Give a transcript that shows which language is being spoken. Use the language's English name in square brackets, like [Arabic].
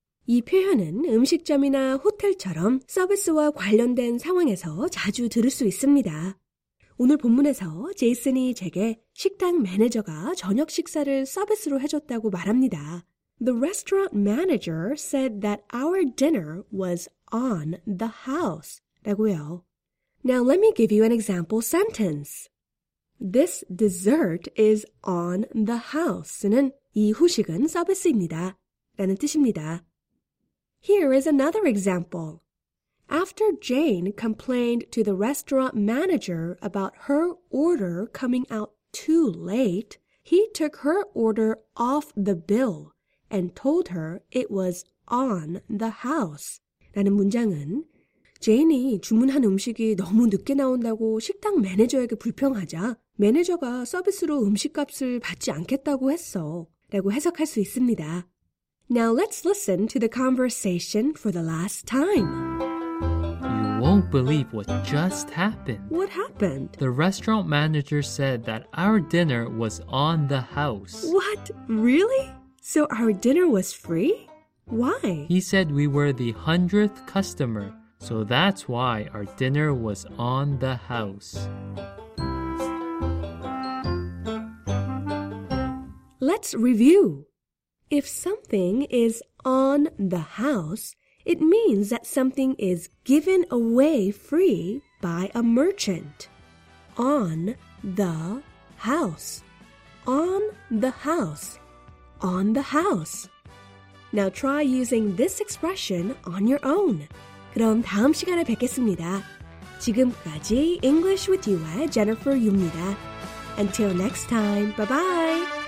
[Korean] 이 표현은 음식점이나 호텔처럼 서비스와 관련된 상황에서 자주 들을 수 있습니다. 오늘 본문에서 제이슨이 제게 식당 매니저가 저녁 식사를 서비스로 해줬다고 말합니다. [English] The restaurant manager said that our dinner was on the house. [Korean] 라고요. [English] Now let me give you an example sentence. This dessert is on the house는 [Korean] 이 후식은 서비스입니다. 라는 뜻입니다. [English] Here is another example. After Jane complained to the restaurant manager about her order coming out too late, he took her order off the bill and told her it was on the house. [Korean] 라는 문장은 제인이 주문한 음식이 너무 늦게 나온다고 식당 매니저에게 불평하자 매니저가 서비스로 음식값을 받지 않겠다고 했어 라고 해석할 수 있습니다. [English] Now let's listen to the conversation for the last time. You won't believe what just happened. What happened? The restaurant manager said that our dinner was on the house. What? Really? So our dinner was free? Why? He said we were the 100th customer, so that's why our dinner was on the house. Let's review. If something is on the house, it means that something is given away free by a merchant. On the house. On the house. On the house. Now try using this expression on your own. [Korean] 그럼 다음 시간에 뵙겠습니다. 지금까지 English with You의 Jennifer Yu입니다. [English] Until next time, bye-bye.